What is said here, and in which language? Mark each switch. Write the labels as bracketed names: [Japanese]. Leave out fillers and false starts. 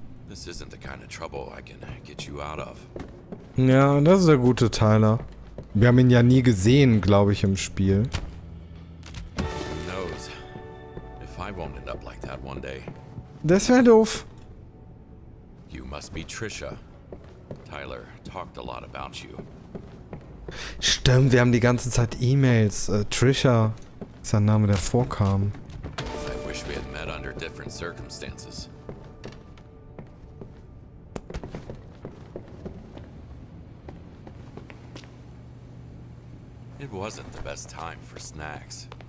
[English] Isn't the kind of trouble I can get you out of. [German] Ja, das ist der gute Tyler. Wir haben ihn ja nie gesehen, glaube ich, im Spiel. [English] Who knows? If I won't end up like that one day. [German] Das wäre doof. [English] You must be Trisha. Tyler talked a lot about you. [German] Stimmt, wir haben die ganze Zeit E-Mails. Trisha ist ein Name, der vorkam. [English] I wish we had met under different circumstances. It wasn't the best time for snacks.